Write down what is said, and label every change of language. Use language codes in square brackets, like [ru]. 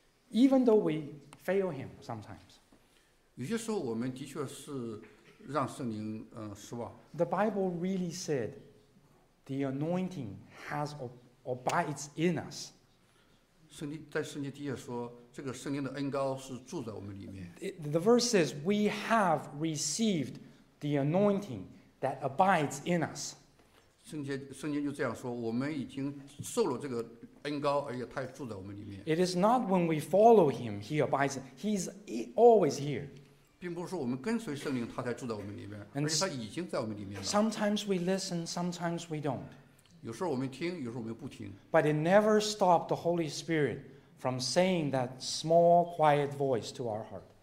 [en] Even though we fail him sometimes. [zh] 有些时候我们的确是让圣灵失望。 [en] The Bible really said. The anointing has or abides in us. [zh] 圣经在圣经底下说，这个圣灵的恩膏是住在我们里面。 [en] The verse says, "We have received the anointing that abides in us." [zh] 圣经就这样说，我们已经受了这个恩膏，而且他住在我们里面。 [en] It is not when we follow him, he abides. He's always here. [zh] 并不是说我们跟随圣灵，他才住在我们里面，而且他已经在我们里面了。 [en] Sometimes we listen, sometimes we don't. [zh] 有时候我们听，有时候我们不听。 [en] But it never stopped the Holy Spirit from saying that small, quiet voice to our heart.